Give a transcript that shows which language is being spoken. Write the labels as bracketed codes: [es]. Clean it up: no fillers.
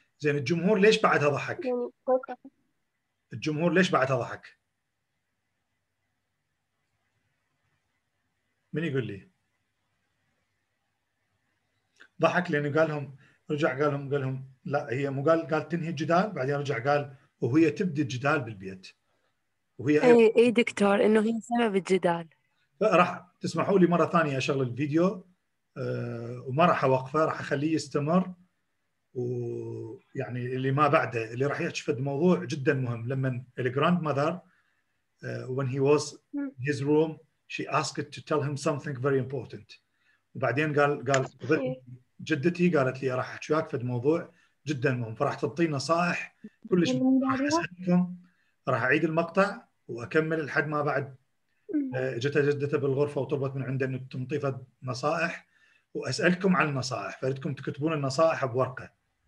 [ar] زين الجمهور ليش بعدها ضحك؟ الجمهور ليش بعدها ضحك؟ من يقول لي؟ ضحك لأنه قالهم لا هي مو قال تنهي الجدال، بعدين رجع قال وهي تبدي الجدال بالبيت وهي أي دكتور إنه هي سبب الجدال. راح تسمحوا لي مرة ثانية أشغل الفيديو وما راح أوقفه، راح أخليه يستمر، ويعني اللي ما بعده اللي راح يحكي في الموضوع جدا مهم. لما الجراند ماذر [en] when he was in his room she asked to tell him something very important. [ar] وبعدين قال جدتي قالت لي راح أحكي وياك في الموضوع جدا مهم، فراح تعطي نصائح كلش مهم. راح أعيد المقطع وأكمل لحد ما بعد جت جدته بالغرفة وطلبت من عنده أنه تنطيف نصائح، وأسألكم عن النصائح، فأريدكم تكتبون النصائح بورقة.